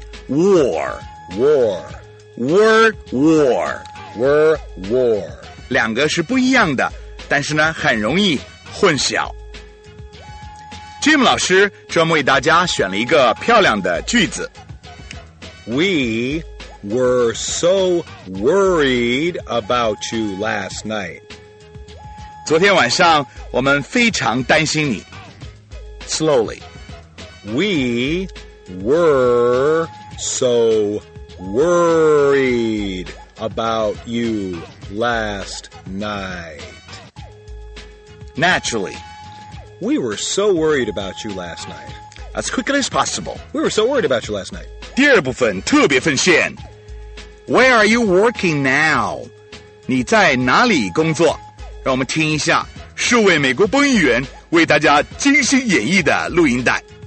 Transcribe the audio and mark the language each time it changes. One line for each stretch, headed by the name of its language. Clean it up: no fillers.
English: War. War. Were war. Were war.
Chinese: 两个是不一样的但是呢很容易混淆。 Tim 老师专门为大家选了一个漂亮的句子。
English: We were so worried about you last night.
Chinese: 昨天晚上我们非常担心你。
English: Slowly. We were so worried about you last night. Naturally. We were so worried about you last night. As quickly as possible. We were so worried about you last night.
Chinese: 第二部分特别奉献。
English: Where are you working now?
Chinese: 你在哪里工作？让我们听一下数位美国播音员为大家精心演绎的录音带。